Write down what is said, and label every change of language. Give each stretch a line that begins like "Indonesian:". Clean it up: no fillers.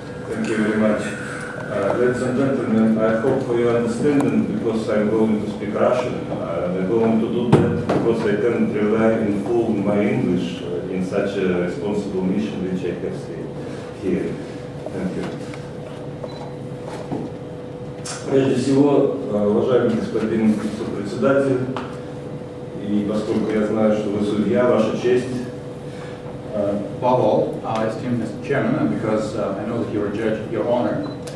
English: Thank you very much. Ladies and gentlemen, I hope for your understanding because I'm going to speak Russian. I'm going to do that because I can't rely in full on my English in such a responsible mission which I have seen here. Thank you.
Russian: Прежде всего, уважаемый господин сопредседатель, и поскольку я знаю, что вы судья, ваша честь.
English: Above all, esteemed Mr. Chairman, because I know that you're a judge, your honor.